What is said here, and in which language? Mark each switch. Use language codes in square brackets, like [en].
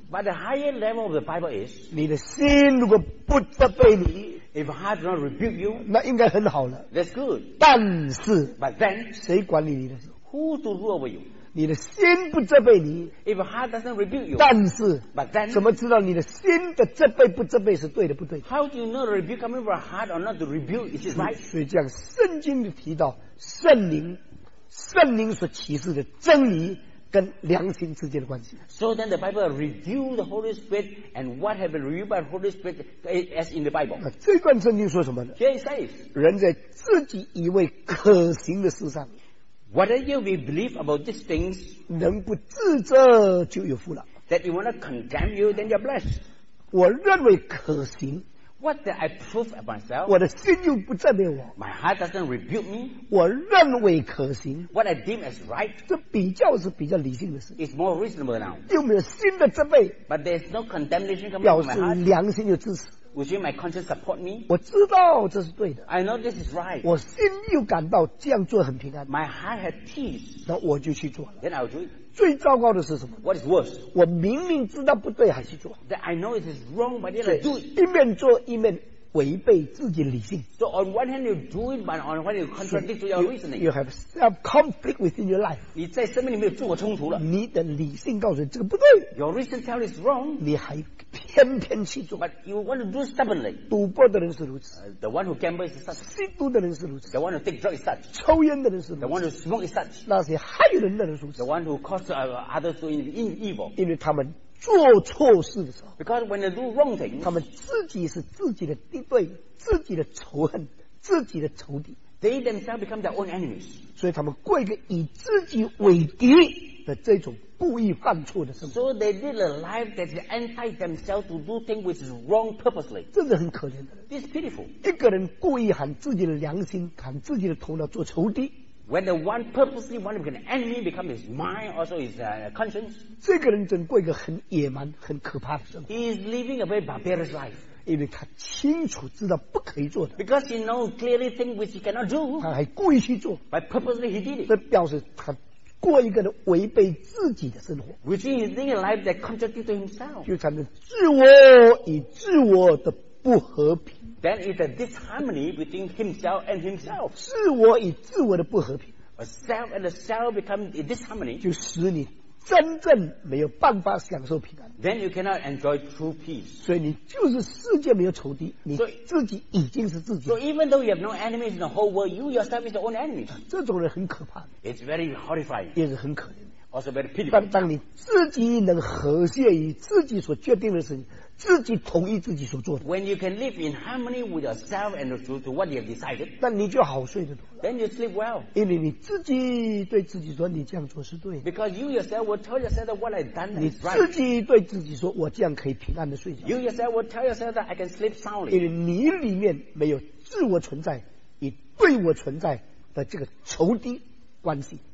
[en] But the higher level of the Bible is [zh] 你的心如果不责备你 [en] If heart does not rebuke you [zh] 那应该很好了 [en] That's good [zh] 但是 [en] But then [zh] 谁管理你的 [en] Who to rule over you? [zh] 你的心不责备你。 [en] If heart doesn't rebuke you, [zh] 但是 [en] but then, [zh] 怎么知道你的心的责备不责备是对的不对？ [en] How do you know the rebuke coming from a heart or not to rebuke is it right? [zh] 所以这样圣经就提到圣灵，圣灵所启示的真理跟良心之间的关系。 [en] So then the Bible reveals the Holy Spirit and what have been revealed by the Holy Spirit as in the Bible. [zh] 这段圣经说什么呢？ [en] Here it says, [zh] 人在自己以为可行的事上， [en] whatever we believe about these things, [zh] 能不自责就有福了。 [en] That we want to condemn you, then you're blessed. [zh] 我认为可行， [en] What did I prove of myself? [zh] 我的心又不赞美我。 [en] My heart doesn't rebuke me. [zh] 我认为可行。 [en] What I deem as right. [zh] 这比较是比较理性的事。 [en] It's more reasonable now. [zh] 又没有心的责备。 [en] But there's no condemnation coming from my heart. [zh] 表示良心有支持。 [en] Would you my conscience support me? [zh] 我知道这是对的。 [en] I know this is right. [zh] 我心又感到这样做很平安。 [en] My heart had peace. [zh] 那我就去做了。 [en] Then I'll do it. [zh] 最糟糕的是什么？ [en] What is worse? [zh] 我明明知道不对还去做。 [en] That I know it is wrong, but then I do it. [zh] 一面做一面违背自己理性。 [en] So on one hand you do it, but on one hand you contradict your reasoning. You have self conflict within your life. [zh] 你在生命里面有自我冲突了。你的理性告诉你这个不对。 [en] Your reason tells is wrong. [zh] 你还偏偏去做。 [en] But you want to do stubbornly. [zh] 赌博的人是如此。 [en] The one who gambles is such. [zh] 吸毒的人是如此。 [en] The one who take drugs is such. [zh] 抽烟的人是如此。 [en] The one who smoke is such. [zh] 那些害人的人是如此。 [en] The one who causes others to in evil. [zh] 因为他们做错事的时候， [en] Because when they do wrong things, [zh] 他们自己是自己的敌对，自己的仇恨，自己的仇敌。 [en] They themselves become their own enemies. [zh] 所以他们过一个以自己为敌的这种故意犯错的生活。 [en] So they live a life that is anti themselves to do things which is wrong purposely. [zh] 这是很可怜的。 [en] This is pitiful. [zh] 一个人故意喊自己的良心，喊自己的头脑做仇敌。 [en] When the one purposely want to become an enemy, become his mind, also his conscience. [zh] 这个人真过一个很野蛮、很可怕的生活。 [en] He is living a very barbarous life. [zh] 因为他清楚知道不可以做的。 [en] Because he knows clearly things which he cannot do. [zh] 他还故意去做。 [en] By purposely he did it. [zh] 这表示他过一个违背自己的生活。 [en] Which means he's living a life that contradicts to himself. [zh] 就产生自我与自我的不和平。 [en] Then it's a disharmony between himself and himself. [zh] 自我与自我的不和平。 [en] A self and a self become a disharmony. [zh] 就使你真正没有办法享受平安。 [en] Then you cannot enjoy true peace. [zh] 所以你就是世界没有仇敌，你自己已经是自己。 [en] So even though you have no enemies in the whole world, you yourself is your own enemy. [zh] 这种人很可怕。 [en] It's very horrifying. [zh] 也是很可怜。 [en] Also very pitiful. [zh] 但当你自己能和谐于自己所决定的事情，自己同意自己所做的。 [en] When you can live in harmony with yourself and to what you have decided, [zh] 那你就好睡得多。 [en] Then you sleep well. [zh] 因为你自己对自己说你这样做是对的。 [en] Because you yourself will tell yourself that what I've done is right. [zh] 你自己对自己说我这样可以平安的睡觉。 [en] You yourself will tell yourself that I can sleep soundly. [zh] 因为你里面没有自我存在与对我存在的这个仇敌关系。